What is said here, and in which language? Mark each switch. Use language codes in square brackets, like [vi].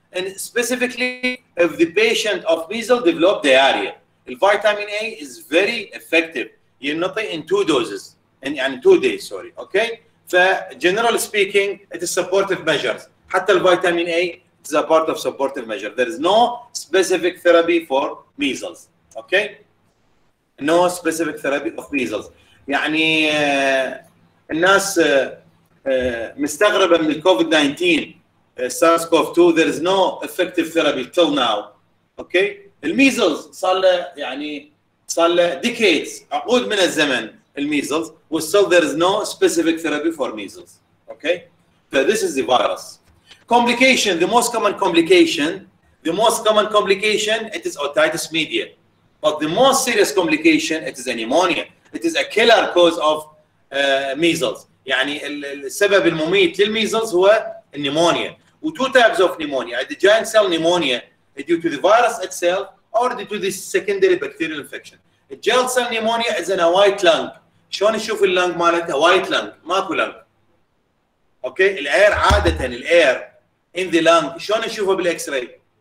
[en] And specifically, if the patient of measles develop diarrhea, the vitamin A is very effective. You know, in two doses, in 2 days, sorry, okay? So, generally speaking, it is supportive measures. [ar] حتى [en] vitamin A is a part of supportive measure. There is no specific therapy for measles, okay? No specific therapy of measles. [ar] يعني, الناس مستغربة من الكوفيد 19 سارس كوف 2 [en] there is no effective therapy till now. Okay? [ar] الميزلز صار له [en] decades [ar] عقود من الزمن الميزلز [en] and still there is no specific therapy for measles. Okay? So this is the virus. Complication, the most common complication it is otitis media. But the most serious complication it is a pneumonia. It is a killer cause of measles. [ar] يعني السبب المميت للميزلز هو النيمونيا. [en] وتو types of pneumonia, the giant cell pneumonia due to the virus itself or due to the secondary bacterial infection. الجيل cell pneumonia is in a white lung. [ar] شلون نشوف اللنج مالتها؟ white lung، ماكو lung. اوكي؟ الاير عادة الاير [en] in the lung، [ar] شلون نشوفه بالاكس راي؟